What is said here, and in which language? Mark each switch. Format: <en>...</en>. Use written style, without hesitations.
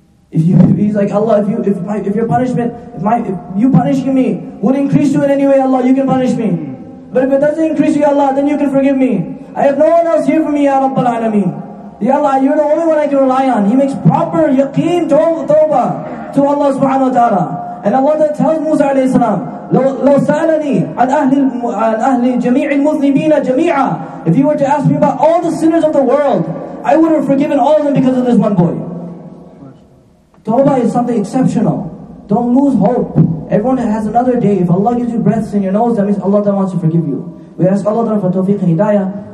<en>He's like, Allah, if you punishing me would increase you in any way, Allah, you can punish me. But if it doesn't increase you, Allah, then you can forgive me. I have no one else here for me, Ya Rabbal Alameen. Ya Allah, you're the only one I can rely on. He makes proper yaqeen tawbah to Allah subhanahu wa ta'ala. And Allah tells Musa alayhi salam,</en> <ar>لَوْ سَأَلَنِي عَنْ أَهْلِ جَمِيعِ الْمُذْنِبِينَ جَمِيعًا.</ar> <en>If you were to ask me about all the sinners of the world, I would have forgiven all of them because of this one boy. Tawbah is something exceptional. Don't lose hope. Everyone has another day. If Allah gives you breaths in your nose, that means Allah wants to forgive you. We ask Allah Ta'ala for tawfiq and hidayah.</en>